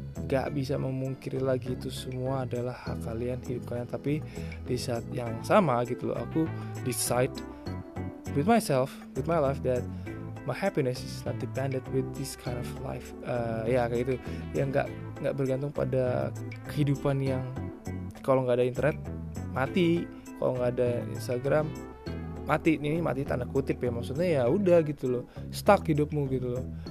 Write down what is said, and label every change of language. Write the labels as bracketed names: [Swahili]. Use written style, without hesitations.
[Indonesian] Gak bisa memungkiri lagi itu semua adalah hak kalian, hidup kalian. Tapi di saat yang sama gitu loh, aku [English] decide with myself, with my life, that my happiness is not dependent with this kind of life. [Indonesian] Ya kayak gitu, yang gak bergantung pada kehidupan yang kalau gak ada internet mati, kalau gak ada Instagram mati, ini mati tanda kutip ya, maksudnya ya udah gitu loh, stuck hidupmu gitu loh.